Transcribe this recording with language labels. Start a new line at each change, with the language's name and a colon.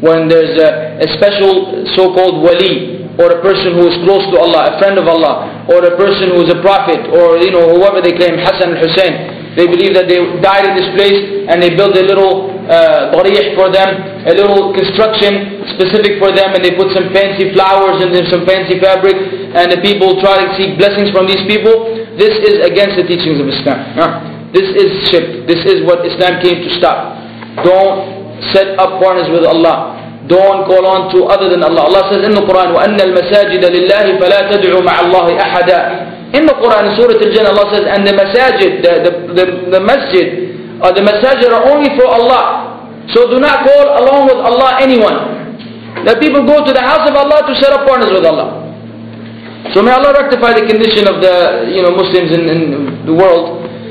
English: When there's a special so-called wali, or a person who is close to Allah, a friend of Allah, or a person who is a prophet, or you know, whoever they claim, Hassan al-Hussein, they believe that they died in this place, and they build a little dariyah for them, a little construction specific for them, and they put some fancy flowers and some fancy fabric, and the people try to seek blessings from these people. This is against the teachings of Islam. This is shirk. This is what Islam came to stop. Don't set up partners with Allah. Don't call on to other than Allah.
Arabic: Allah says in the Quran, وَأَنَّ الْمَسَاجِدَ لِلَّهِ فَلَا تَدْعُوا مَعَ اللَّهِ أَحَدًا.
English: In the Quran, Surah Al-Jinn, Allah says, and the masajid, the masjid, or the masajid are only for Allah. So do not call along with Allah anyone. The people go to the house of Allah to set up partners with Allah. So may Allah rectify the condition of the you know Muslims in the world.